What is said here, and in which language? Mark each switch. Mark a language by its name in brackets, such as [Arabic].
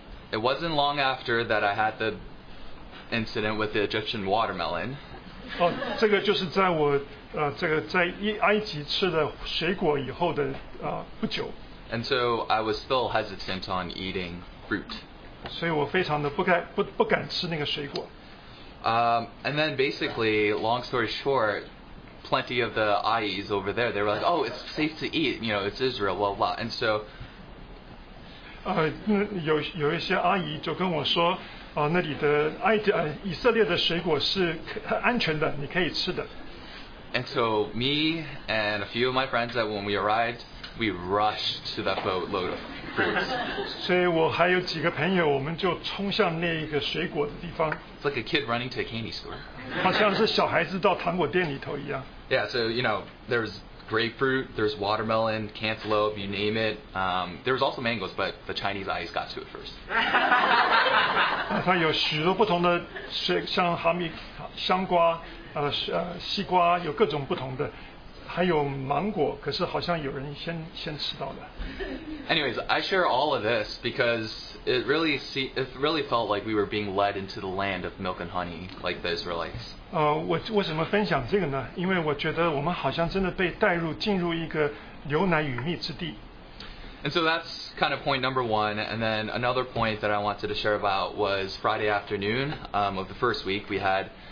[English] It wasn't long after that I had the incident with the Egyptian watermelon. [Chinese] 哦，这个就是在我这个在埃及吃的水果以后的不久。 [English] And so I was still hesitant on eating fruit. [Chinese] 所以我非常的不敢吃那个水果。 [English] And then basically, long story short, plenty of the IEs over there, they were like, oh, it's safe to eat, you know, it's Israel, blah, blah. And so, [Chinese] 有一些阿姨就跟我说，那里的以色列的水果是安全的，你可以吃的。 [English] And so me and a few of my friends, that when we arrived, we rushed to that boatload of fruits. [Chinese] 所以我还有几个朋友，我们就冲向那个水果的地方。 [English] It's like a kid running to a candy store. [Chinese] 好像是小孩子到糖果店里头一样。 [English] Yeah, so you know, there's grapefruit, there's watermelon, cantaloupe, you name it. There was also mangoes, but the Chinese eyes got to it first. [Chinese] 它有许多不同的水，像哈密、香瓜。西瓜有各种不同的，还有芒果，可是好像有人先吃到了。 [English] Anyways, I share all of this because it really felt like we were being led into the land of milk and honey, like the Israelites. [Chinese] 我为什么分享这个呢？因为我觉得我们好像真的被带入进入一个牛奶与蜜之地。 [English] And so that's kind of point number one. And then another point that I wanted to share about was Friday afternoon, of the first week, we had.